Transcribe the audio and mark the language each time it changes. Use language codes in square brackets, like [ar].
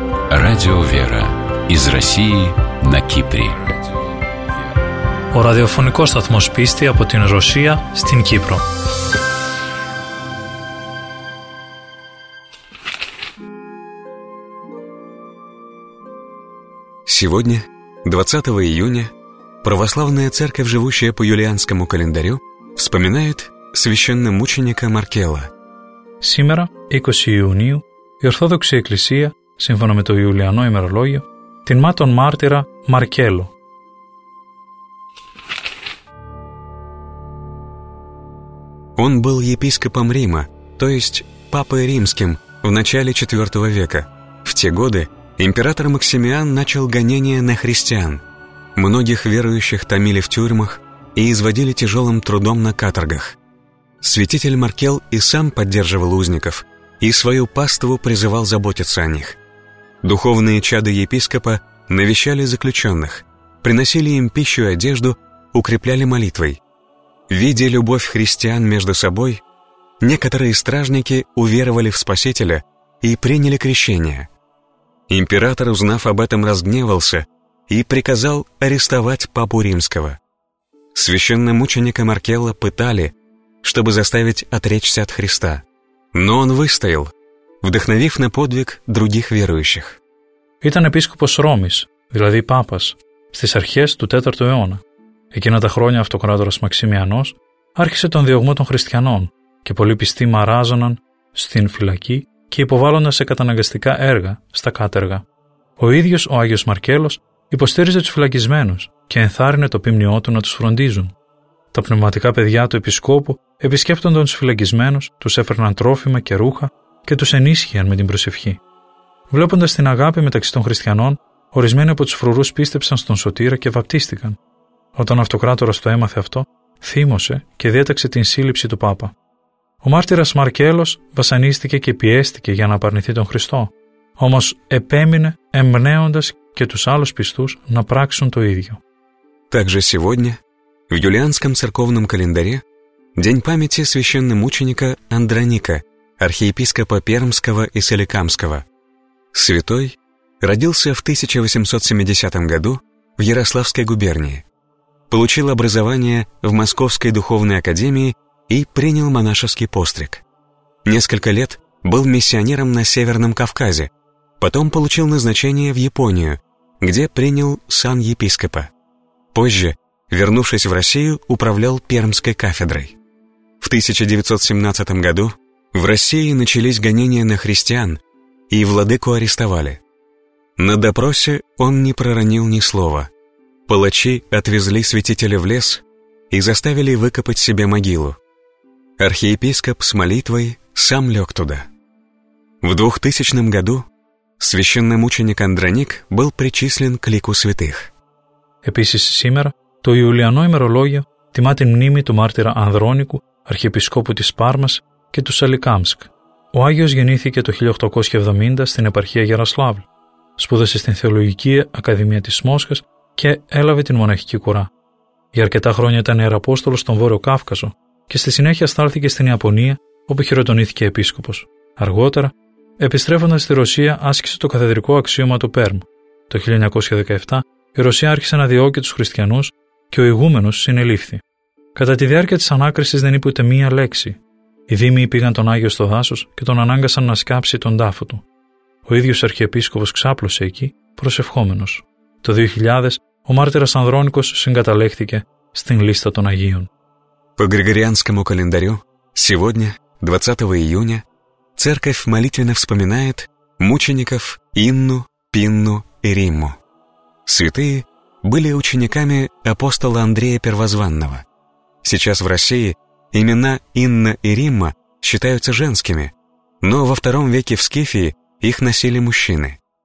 [ru] Радио «Вера» из России на Кипре. [el] Ο ραδιοφωνικός σταθμός πίστη από την Ρωσία στην Κύπρο. [ru] Сегодня, 20 июня, православная церковь, живущая по юлианскому календарю, вспоминает священномученика Маркела. Сегодня, 20 июня, [el] η Ορθόδοξη Εκκλησία, σύμφωνα με το Ιουλιανό ημερολόγιο, τιμά τον μάρτυρα Μαρκέλο. [ru] Он был епископом Рима, то есть папой римским, в начале 4 века. В те годы император Максимиан начал гонения на христиан. Многих верующих томили в тюрьмах и изводили тяжелым трудом на каторгах. Святитель Маркел и сам поддерживал узников, и свою паству призывал заботиться о них. Духовные чады епископа навещали заключенных, приносили им пищу и одежду, укрепляли молитвой. Видя любовь христиан между собой, некоторые стражники уверовали в Спасителя и приняли крещение. Император, узнав об этом, разгневался и приказал арестовать папу римского. Священномученика Маркелла пытали, чтобы заставить отречься от Христа. Но он выстоял, вдохновив на подвиг других верующих. [el] Ήταν επίσκοπος Ρώμης, δηλαδή πάπας, στις αρχές του 4ου αιώνα. Εκείνα τα χρόνια αυτοκράτορας Μαξιμιανός άρχισε τον διωγμό των χριστιανών και πολλοί πιστοί μαράζωναν στην φυλακή και υποβάλλονταν σε καταναγκαστικά έργα στα κάτεργα. Ο ίδιος ο Άγιος Μαρκέλος υποστήριζε τους φυλακισμένους και ενθάρρυνε το ποιμνιό του να τους φροντίζουν. Τα πνευματικά παιδιά του επισκόπου επισκέπτονταν τους φυλακισμένους, τους έφερναν τρόφιμα και ρούχα και τους ενίσχυαν με την προσευχή. Βλέποντας την αγάπη μεταξύ των χριστιανών, ορισμένοι από τους φρουρούς πίστεψαν στον Σωτήρα και βαπτίστηκαν. Όταν ο αυτοκράτορας το έμαθε αυτό, θύμωσε και διέταξε την σύλληψη του Πάπα. Ο μάρτυρας Μαρκέλος βασανίστηκε και πιέστηκε για να απαρνηθεί τον Χριστό, όμως επέμεινε εμπνέοντας και τους άλλους πιστούς να πράξουν το ίδιο. [ru] Также сегодня, в юлианском церковном календаре, день памяти священномученика Андроника, архиепископа Пермского и Соликамского. Святой родился в 1870 году в Ярославской губернии. Получил образование в Московской духовной академии и принял монашеский постриг. Несколько лет был миссионером на Северном Кавказе, потом получил назначение в Японию, где принял сан епископа. Позже, вернувшись в Россию, управлял Пермской кафедрой. В 1917 году в России начались гонения на христиан, и владыку арестовали. На допросе он не проронил ни слова. Палачи отвезли святителя в лес и заставили выкопать себе могилу. Архиепископ с молитвой сам лег туда. В 2000 году священномученик Андроник был причислен к лику святых. [el] Επίσης σήμερα, το Ιουλιανό ημερολόγιο τιμά την μνήμη του μάρτυρα Ανδρόνικου, αρχιεπισκόπου της Πάρμας και του Σαλικάμσκ. Ο Άγιος γεννήθηκε το 1870 στην επαρχία Γιαροσλάβλ. Σπούδασε στην Θεολογική Ακαδημία της Μόσχας και έλαβε την μοναχική κουρά. Για αρκετά χρόνια ήταν ιεραπόστολος στον Βόρειο Κάφκασο και στη συνέχεια στάλθηκε στην Ιαπωνία, όπου χειροτονήθηκε επίσκοπος. Αργότερα, επιστρέφοντας στη Ρωσία, άσκησε το καθεδρικό αξίωμα του Πέρμ. Το 1917, η Ρωσία άρχισε να διώκει τους χριστιανούς και ο ηγούμενος συνελήφθη. Κατά τη διάρκεια της ανάκρισης δεν είπε ούτε μία λέξη. Οι Δήμοι πήγαν τον Άγιο στο δάσος και τον ανάγκασαν να σκάψει τον τάφο του. Ο ίδιος αρχιεπίσκοπος ξάπλωσε εκεί, προσευχόμενος. Το 2000, ο μάρτυρας Ανδρόνικος συγκαταλέχθηκε στην λίστα των Αγίων. [ru] По Григорианскому календарю, сегодня, 20 июня, церковь молитвенно вспоминает мучеников Инну, Пинну и Римму. Святые были учениками апостола Андрея Первозванного. Сейчас в России имена Инна и Римма считаются женскими, но во втором веке в Скифии их носили мужчины.